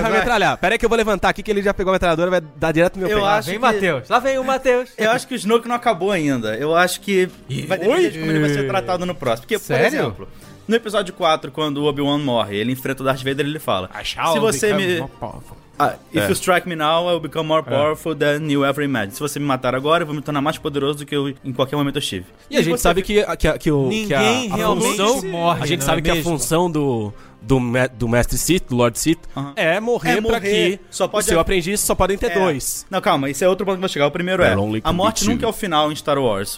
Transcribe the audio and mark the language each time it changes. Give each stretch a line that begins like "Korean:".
Portuguese: Vai metralhar. Pera aí que eu vou levantar aqui, que ele já pegou a metralhadora, vai dar direto no meu pé. Lá vem o Matheus. Eu acho que o Snoke não acabou ainda. Eu acho que vai depender de como ele vai ser tratado no próximo. Porque, por exemplo, no episódio 4, quando o Obi-Wan morre, ele enfrenta o Darth Vader e ele fala: se você me...
English: If you strike me now, I'll become more powerful than you ever imagined.
Portuguese: Se você me matar agora, eu vou me tornar mais poderoso do que eu em qualquer momento eu estive. E a gente sabe que a função... Ninguém realmente morre, A gente sabe que a função do... do Mestre Sith, do Lord Sith, uh-huh. é morrer pra que só pode... o seu aprendiz só pode ter dois. Não, calma, esse é outro ponto que vai chegar. O primeiro é, a morte nunca é o final em Star Wars.